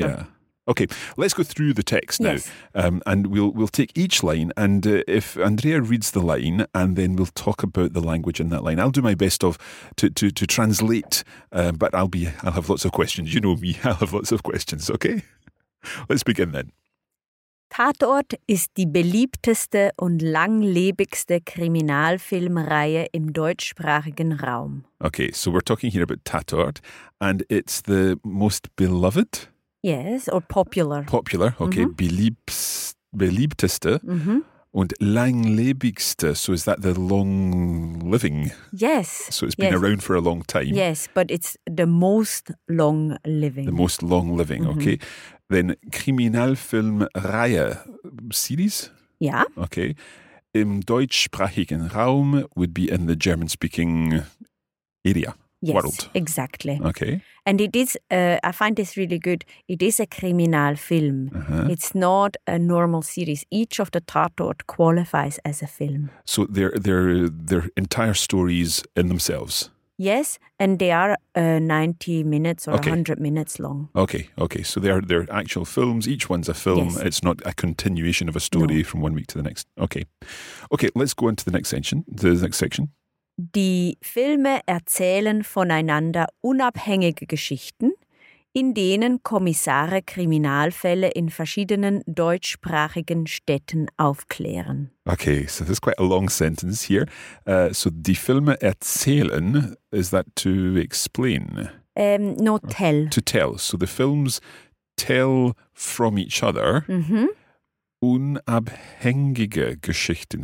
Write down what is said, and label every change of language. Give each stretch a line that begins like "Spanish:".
English: Yeah. Okay, let's go through the text now. Yes. And we'll take each line. And if Andrea reads the line, and then we'll talk about the language in that line. I'll do my best to translate, but I'll have lots of questions. You know me, I'll have lots of questions, okay? Let's begin then.
German: Tatort ist die beliebteste und langlebigste Kriminalfilmreihe im deutschsprachigen Raum.
English: Okay, so we're talking here about Tatort, and it's the most beloved? Yes, or popular. Popular, okay. Mm-hmm. Beliebteste. Mm-hmm.
German: Und langlebigste,
English: so is that the long living? Yes. So it's been around for a long time. Yes, but it's the most long living. The most long living, okay. Then Kriminalfilmreihe, series? Yeah. Okay.
German: Im deutschsprachigen Raum
English: would be in the German-speaking area, world. Yes, exactly. Okay. And it is, I find this really good, it is a criminal film. Uh-huh. It's not a normal series. Each of the Tatort qualifies as a film. So they're entire stories in themselves? Yes, and they are 90 minutes or 100 minutes long. Okay, okay. So they're actual films. Each one's a film. Yes. It's not a continuation of a story from one week to the next. Okay. Okay, let's go into the next section.
German: Die Filme erzählen voneinander unabhängige Geschichten, in denen Kommissare Kriminalfälle in verschiedenen deutschsprachigen Städten aufklären.
English: Okay, so this is quite a long sentence here. So
German: die Filme erzählen,
English: is that to explain? No, tell. To tell. So the films tell from each other
German: unabhängige Geschichten.